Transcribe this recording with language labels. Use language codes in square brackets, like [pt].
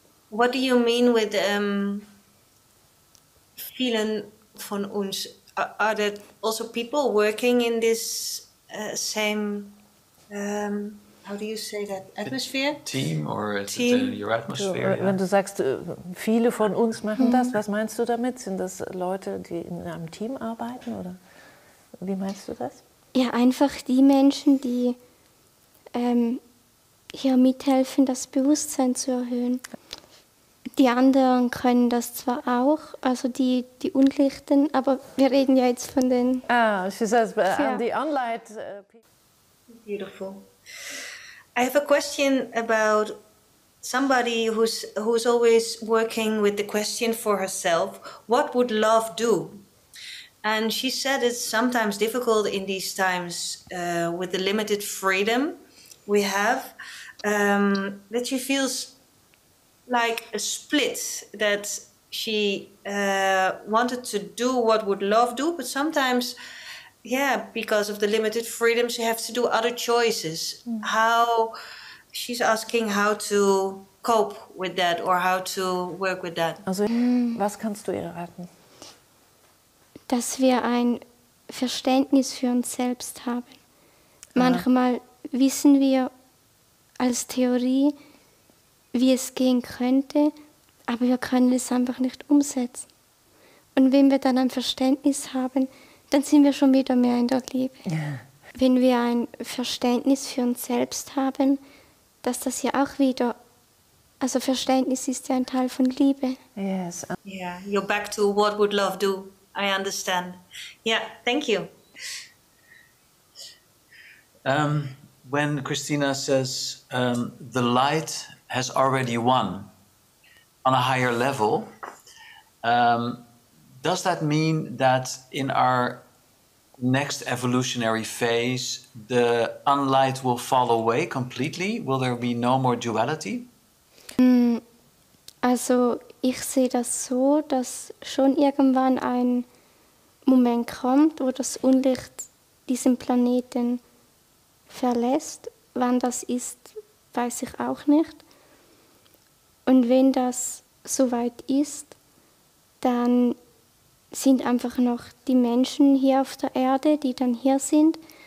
[en] What do you mean with [de] vielen von uns? [en] Are there also people working in this same, how do you say that, atmosphere? The team or is team? It your atmosphere? Du, yeah. [de] Wenn du sagst, viele von uns machen das, was meinst du damit? Sind das Leute, die in einem Team arbeiten? Oder wie meinst du das? Ja, einfach die Menschen, die hier mithelfen, das Bewusstsein zu erhöhen. Die anderen können das zwar auch, also die Unlichten, aber wir reden ja jetzt von den... [en] Ah, she says, but yeah. The unlight... Beautiful. I have a question about somebody who's always working with the question for herself, what would love do? And she said it's sometimes difficult in these times with the limited freedom we have, that she feels like a split, that she wanted to do what would love do, but sometimes, yeah, because of the limited freedom, she has to do other choices. Mm. How, she's asking how to cope with that or how to work with that. [de] Also, was kannst du ihr raten? Dass wir ein Verständnis für uns selbst haben. Manchmal wissen wir als Theorie, wie es gehen könnte, aber wir können es einfach nicht umsetzen. Und wenn wir dann ein Verständnis haben, dann sind wir schon wieder mehr in der Liebe. [en] Yeah. [de] Wenn wir ein Verständnis für uns selbst haben, dass das ja auch wieder, also Verständnis ist ja ein Teil von Liebe. [en] Yes. Yeah, you're back to what would love do. I understand. Yeah, thank you. When Christina says the light has already won on a higher level, does that mean that in our next evolutionary phase, the unlight will fall away completely? Will there be no more duality? [de] Also, ich sehe das so, dass schon irgendwann ein Moment kommt, wo das Unlicht diesen Planeten verlässt. Wann das ist, weiß ich auch nicht. Und wenn das soweit ist, dann sind einfach noch die Menschen hier auf der Erde, die dann hier sind.